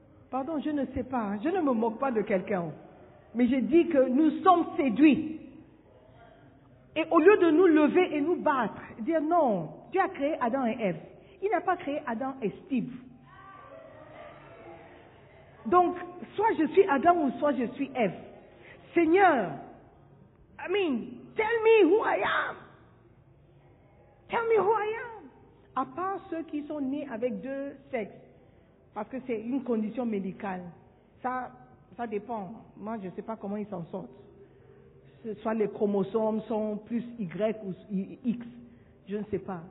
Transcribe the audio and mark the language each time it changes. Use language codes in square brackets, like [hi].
[fr] Pardon, je ne sais pas. Je ne me moque pas de quelqu'un. Mais je dis que nous sommes séduits. Et au lieu de nous lever et nous battre, dire non, Dieu a créé Adam et Ève. Il n'a pas créé Adam et Steve. Donc, soit je suis Adam ou soit je suis Ève. [en] Seigneur, I mean, tell me who I am. Tell me who I am. [fr] À part ceux qui sont nés avec deux sexes, parce que c'est une condition médicale. Ça dépend. Moi, je ne sais pas comment ils s'en sortent. Soit les chromosomes sont plus Y ou X, je ne sais pas.